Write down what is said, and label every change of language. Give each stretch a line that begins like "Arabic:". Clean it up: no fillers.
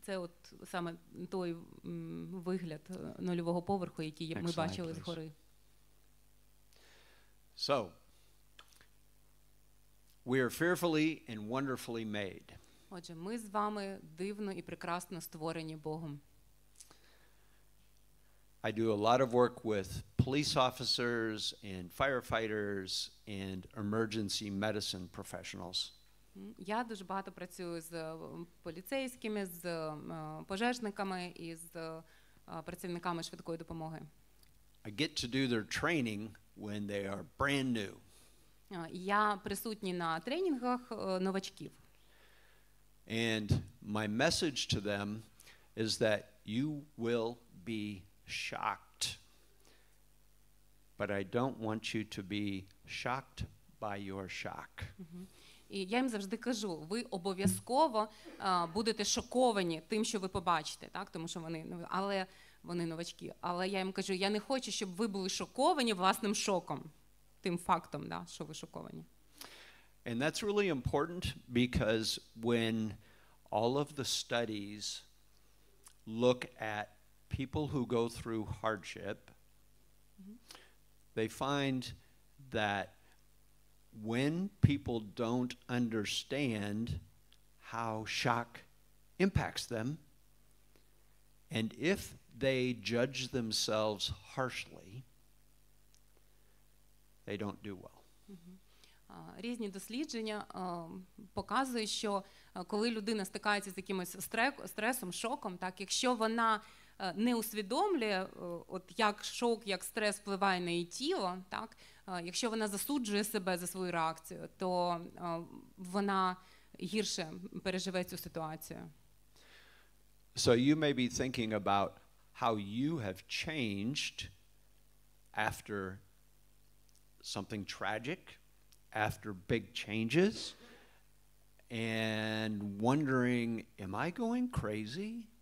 Ukrainian: Це от саме той вигляд нульового поверху, який
English: Next
Ukrainian: ми бачили
English: slide,
Ukrainian: згори.
English: Please. So, we are fearfully and wonderfully made.
Ukrainian: Отже, ми з вами дивно і прекрасно створені Богом.
English: I do a lot of work with police officers and firefighters and emergency medicine professionals.
Ukrainian: Я дуже багато працюю з поліцейськими, з пожежниками і з працівниками швидкої допомоги.
English: I get to do their training when they are brand new.
Ukrainian: Я присутній на тренінгах новачків.
English: And my message to them is that you will be shocked. But I don't want you to be shocked by your shock.
Ukrainian: І я їм завжди кажу, ви обов'язково будете шоковані тим, що ви побачите, так? Тому що вони новачки. Але я їм кажу, я не хочу, щоб ви були шоковані власним шоком. Тим фактом, да, що ви шоковані.
English: And that's really important because when all of the studies look at people who go through hardship, they find that when people don't understand how shock impacts them, and if they judge themselves harshly, they don't do well.
Ukrainian: Різні дослідження показують, що коли людина стикається з якимось стресом, шоком, так, якщо вона не усвідомлює, от як шок, як стрес впливає на її тіло, так, якщо вона засуджує себе за свою реакцію, то вона гірше переживе цю ситуацію.
English: So you may be thinking about how you have changed after something tragic, after big changes, and wondering, am I going crazy?